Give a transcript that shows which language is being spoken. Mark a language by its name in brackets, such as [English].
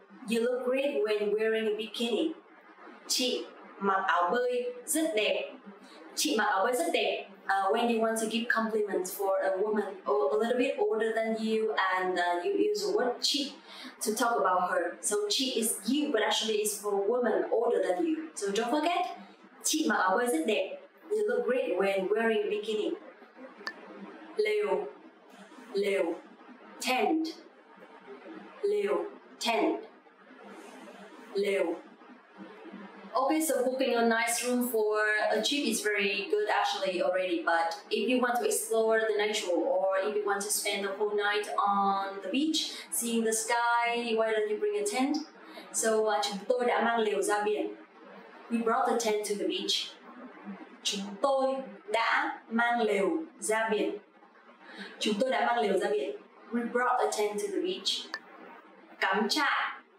[English] You look great when wearing a bikini. [Vietnamese] Chị mặc áo bơi rất đẹp. Chị mặc áo bơi rất đẹp. [English] When you want to give compliments for a woman or a little bit older than you, and you use the word chị to talk about her. So chị is you, but actually it's for a woman older than you. So don't forget, [Vietnamese] chị mặc áo bơi rất đẹp. [English] You look great when wearing bikini. Lều, lều, tent. [Vietnamese] Lều, tent. Lều. [English] Okay, so booking a nice room for a trip is very good actually already, but if you want to explore the natural or if you want to spend the whole night on the beach, seeing the sky, why don't you bring a tent? So, [Vietnamese] chúng tôi đã mang lều ra biển. [English] We brought the tent to the beach. [Vietnamese] Chúng tôi đã mang lều ra biển. Chúng tôi đã mang lều ra biển. [English] We brought a tent to the beach. Cắm trại.